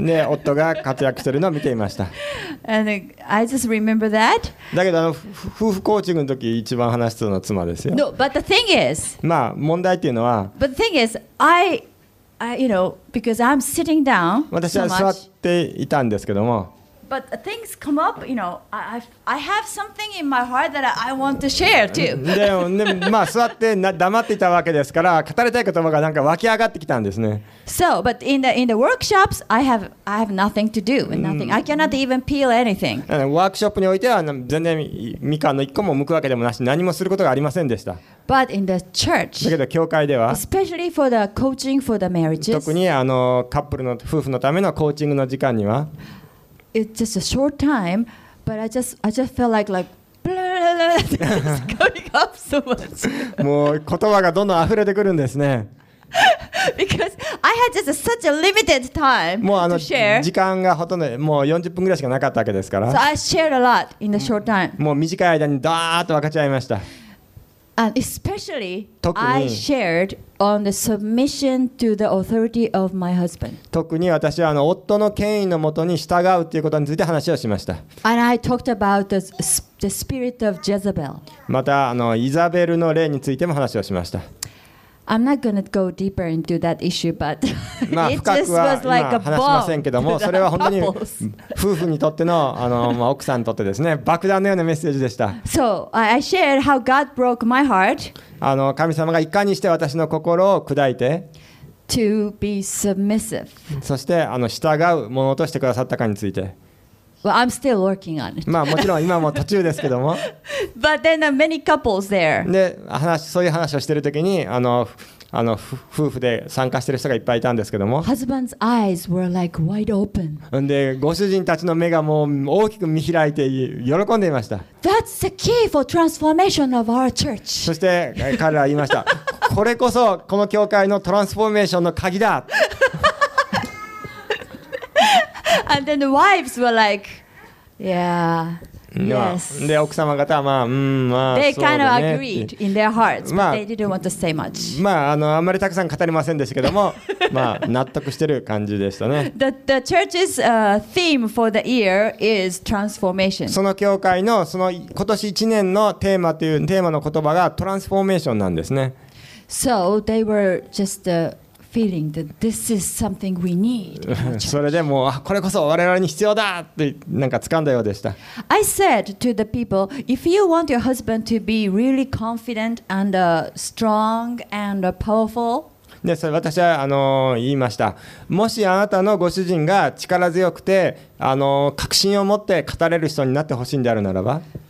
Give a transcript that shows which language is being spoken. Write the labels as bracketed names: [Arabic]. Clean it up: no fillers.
[Japanese] ね、夫が活躍してるのを見ていました。 [English] And I just remember that. [Japanese] だけど夫婦コーチングの時一番話したのは妻ですよ。 [English] No, but the thing is. [Japanese] まあ問題っていうのは。 [English] But the thing is, I you know, because I'm sitting down. [Japanese] 私は座っていたんですけども。 [English] But things come up, you know, I have something in my heart that I want to share too. [Japanese] でも、ね、まあ座ってな黙っていたわけですから、語りたい言葉がなんか湧き上がってきたんですね。 [English] So, but in the workshops, I have nothing to do, nothing. I cannot even peel anything. [Japanese] ワークショップにおいては全然みかんの一個も剥くわけでもなし、何もすることがありませんでした。 [English] But in the church, [Japanese] だけど教会では、 [English] especially for the coaching for the marriages, [Japanese] 特にあのカップルの夫婦のためのコーチングの時間には。 [English] It's just a short time, but I just felt like blah, blah, blah, blah, coming up so much. [Japanese] もう言葉がどんどん溢れてくるんですね。 [English] Because I had just such a limited time to share. [Japanese] もうあの時間がほとんどもう40分ぐらいしかなかったわけですから。 [English] So I shared a lot in the short time. [Japanese] もう短い間にダーッと分かち合いました。 [English] And especially I shared on the submission to the authority of my husband. [Japanese] 特に私はあの夫の権威のもとに従うということについて話をしました。 [English] And I talked about the spirit of Jezebel. [Japanese] またあのイザベルの霊についても話をしました。 [English] I'm not going to go deeper into that issue, but it just was like a bomb. [Japanese] 話しませんけども、それは本当に夫婦にとっての、あの、まあ、奥さんにとってですね、爆弾のようなメッセージでした。 [English] So, I shared how God broke my heart. [Japanese] あの、神様がいかにして私の心を砕いて、 [English] to be submissive. [Japanese] そして、あの、従うものとしてくださったかについて。 [English] Well, I'm still working on it. [Japanese] まあもちろん今も途中ですけども。 [English] But then there are many couples there. [Japanese] で話そういう話をしているときにあの夫婦で参加している人がいっぱいいたんですけども。 [English] Husband's eyes were like wide open. [Japanese] でご主人たちの目がもう大きく見開いて喜んでいました。 [English] That's the key for transformation of our church. [Japanese] そして彼らは言いました。これこそこの教会のトランスフォーメーションの鍵だ。 [English] And then the wives were like, yeah, yes. They kind of agreed in their hearts, but they didn't want to say much. [Japanese] あまりたくさん語りませんでしたけども、まあ納得してる感じでしたね。 [English] The church's theme for the year is transformation. [Japanese] その教会のその今年1年のテーマというテーマの言葉がトランスフォーメーションなんですね。 [English] So they were just feeling that this is something we need. [Japanese] それでもうこれこそ我々に必要だってなんか掴んだようでした。 [English] I said to the people, if you want your husband to be really confident and strong and powerful. [Japanese] で、それ私は言いました。もしあなたのご主人が力強くて確信を持って語れる人になってほしいんであるならば、